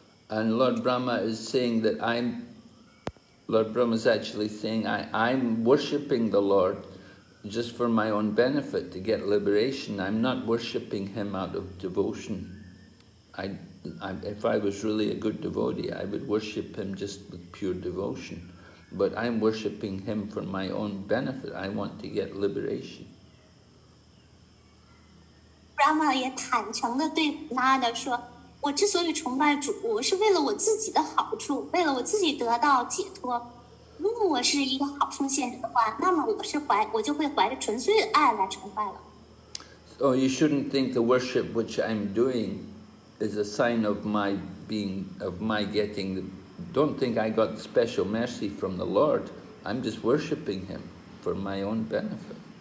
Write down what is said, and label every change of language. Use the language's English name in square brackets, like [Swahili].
[English] And Lord Brahma is saying that Lord Brahma is actually saying I'm worshipping the Lord just for my own benefit to get liberation. I'm not worshipping Him out of devotion. if I was really a good devotee, I would worship him just with pure devotion. But I'm worshipping him for my own benefit. I want to get liberation. [Chinese] Brahma 也坦诚地对拉娜说：“我之所以崇拜主，我是为了我自己的好处，为了我自己得到解脱。如果我是一个好奉献者的话，那么我就会怀着纯粹的爱来崇拜了。” [English] So you shouldn't think the worship which I'm doing is a sign of my being, of my getting the. Don't think I got special mercy from the Lord. I'm just worshipping him for my own benefit.